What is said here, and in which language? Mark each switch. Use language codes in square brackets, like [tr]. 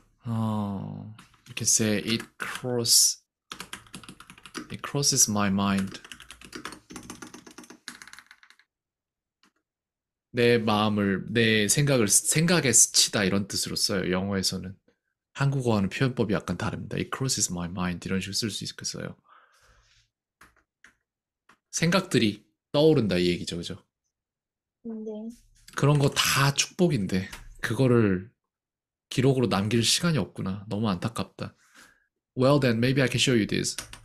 [en] 어, you can say it crosses my mind. [ko] 내 마음을, 내 생각을, 생각에 스치다 이런 뜻으로 써요, 영어에서는. 한국어와는 표현법이 약간 다릅니다. [en] It crosses my mind [ko] 이런 식으로 쓸수 있겠어요. 생각들이 떠오른다 이 얘기죠, 그죠? 근데 그런 거다 축복인데, 그거를 기록으로 남길 시간이 없구나. 너무 안타깝다. [en] Well then, maybe I can show you this.